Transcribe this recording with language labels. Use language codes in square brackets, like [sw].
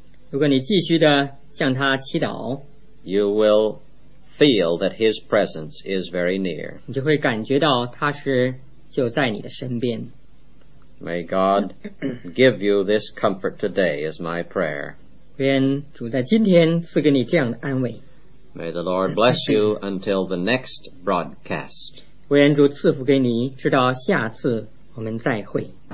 [zh] 如果你继续的向他祈祷， [en] you will feel that his presence is very near. [zh] 你就会感觉到他是就在你的身边。 [en] May God give you this comfort today is my prayer. [zh] 愿主在今天赐给你这样的安慰。 [en] May the Lord bless you until the next broadcast. [zh] 愿主赐福给你，直到下次我们再会。